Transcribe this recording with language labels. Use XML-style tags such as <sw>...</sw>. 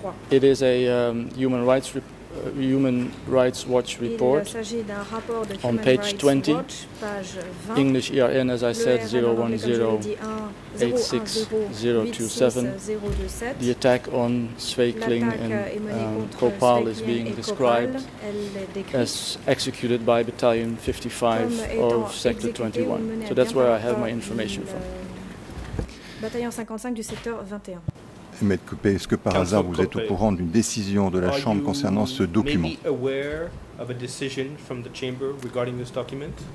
<en>It is a Human Rights Watch report on page 20, English ERN, as I said, 01086027. The attack on Svea Kling and Kopal is being described as executed by Battalion 55 of Sector 21. So that's where I have my information from.</en> <fr>Bataillon 55 du secteur 21. Maître Coupé, est-ce que par hasard vous êtes au courant d'une décision de la Chambre concernant ce document?</fr> <en>Are you maybe aware of a decision from the Chamber regarding this document?</en>